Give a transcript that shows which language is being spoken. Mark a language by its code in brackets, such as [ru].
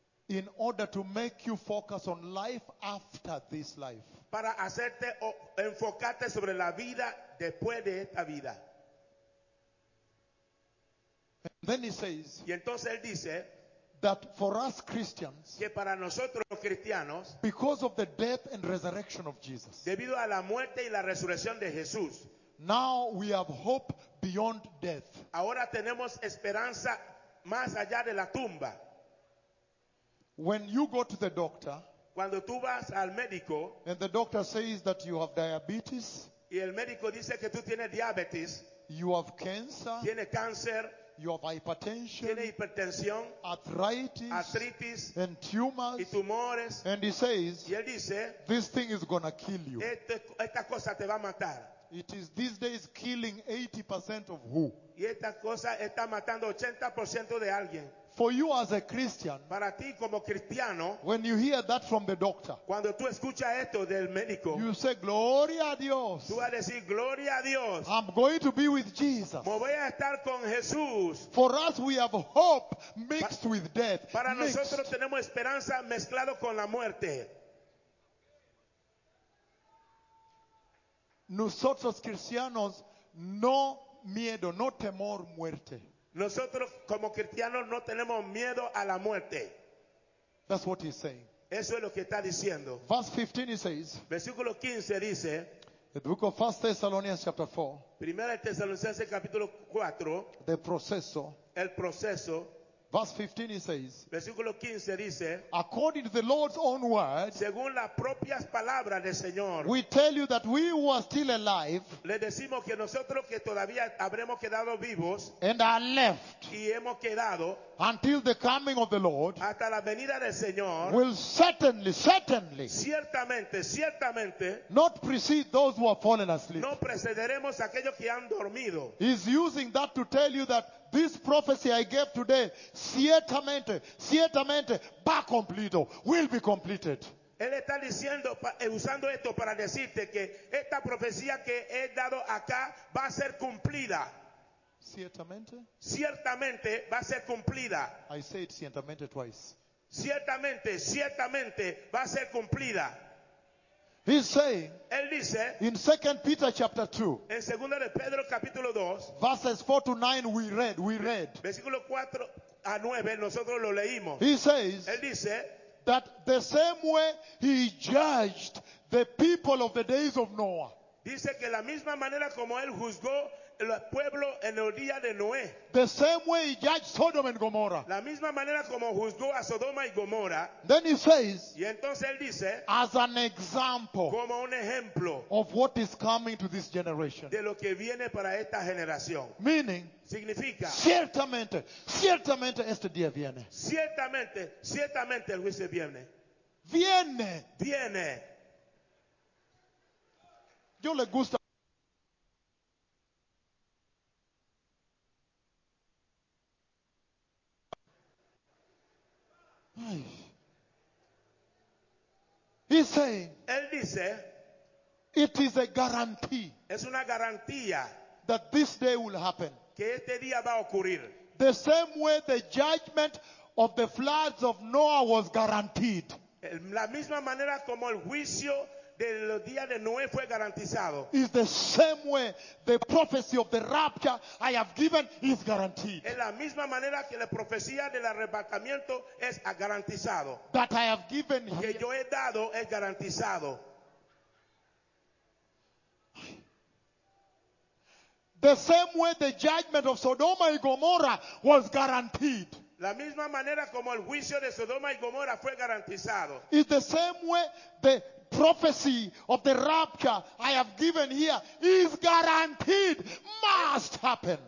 [en] In order to make you focus on life after this life. [es] Para hacerte o enfocarte sobre la vida después de esta vida. [en] And then he says, [es] y entonces él dice, [en] that for us Christians, [es] que para nosotros los cristianos, [en] because of the death and resurrection of Jesus, [es] debido a la muerte y la resurrección de Jesús, [en] now we have hope beyond death. [es] Ahora tenemos esperanza más allá de la tumba. [en] When you go to the doctor, [es] cuando tú vas al médico, [en] and the doctor says that you have diabetes, [es] y el médico dice que tú tienes diabetes, [en] you have cancer, [es] tiene cáncer, [en] you have hypertension, [es] tiene hipertensión, [en] arthritis, [es] arthritis, [en] and tumors, [es] y tumores, [en] and he says, [es] y él dice, [en] this thing is gonna kill you. [es] Esta cosa te va a matar. [en] It is these days killing 80% of who? [es] Y esta cosa está matando 80% de alguien. [en] For you as a Christian, [es] para ti como cristiano, [en] when you hear that from the doctor, [es] cuando tú escuchas esto del médico, [en] you say, [es] Gloria a Dios. Tú vas a decir, Gloria a Dios. [en] I'm going to be with Jesus. [es] Me voy a estar con Jesús. [en] For us, we have hope mixed with death. [es] Para nosotros tenemos esperanza mezclado con la muerte. Nosotros cristianos, no miedo, no temor muerte. Nosotros como cristianos no tenemos miedo a la muerte. [en] That's what he's saying. [es] Eso es lo que está diciendo. [en] Verse 15 he says. [es] Versículo 15 dice. [en] The book of 1 Thessalonians chapter 4. [es] Primera de Tesalonicenses capítulo 4. [en] The proceso. [es] El proceso. [en] Verse 15 he says. [es] Versículo 15 dice. [en] According to the Lord's own word. [es] Según las propias palabras del Señor. [en] We tell you that we were still alive. [es] Le decimos que nosotros que todavía habremos quedado vivos. [en] And are left. [es] Y hemos quedado. [en] Until the coming of the Lord. [es] Hasta la venida del Señor. [en] Will certainly. [es] Ciertamente. [en] Not precede those who have fallen asleep. [es] No precederemos aquellos que han dormido. [en] He's using that to tell you that. This prophecy I gave today, [es] ciertamente, va completo, [en] will be completed. [es] Él está diciendo, usando esto para decirte que esta profecía que he dado acá va a ser cumplida. Ciertamente. Ciertamente va a ser cumplida. [en] I say it ciertamente twice. [es] Ciertamente va a ser cumplida. [en] He's saying, [es] él dice, [en] in 2 Peter chapter 2, [es] en segunda de Pedro, capítulo 2, [en] verses 4 to 9, we read. [es] Versículo 4 a 9, nosotros lo leímos. [en] He says, [es] él dice, [en] that the same way he judged the people of the days of Noah. [es] Dice que la misma manera como él juzgó el pueblo en el día de Noé. [en] The same way he judged Sodom and Gomorrah. [es] La misma manera como juzgó a Sodoma y Gomorra. [en] Then he says. [es] Y entonces él dice. [en] As an example. [es] Como un ejemplo. [en] Of what is coming to this generation. [es] De lo que viene para esta generación. [en] Meaning. [es] Significa. Ciertamente este día viene. Ciertamente el juicio viene. Viene. Yo le gusta. [en] He's saying, [es] él dice, [en] it is a guarantee, [es] es una garantía, [en] that this day will happen, [es] que este día va a ocurrir. [en] The same way the judgment of the floods of Noah was guaranteed, [es] la misma manera como el juicio de los días de Noé fue garantizado, [en] is the same way the prophecy of the rapture I have given is guaranteed, [es] es la misma manera que la profecía del arrebatamiento es garantizado, [en] that I have given [es] que [en] here. [es] Yo he dado es garantizado. [en] The same way the judgment of Sodoma y Gomorra was guaranteed, [es] la misma manera como el juicio de Sodoma y Gomorra fue garantizado, [en] is the same way the prophecy of the rapture I have given here is guaranteed, must happen.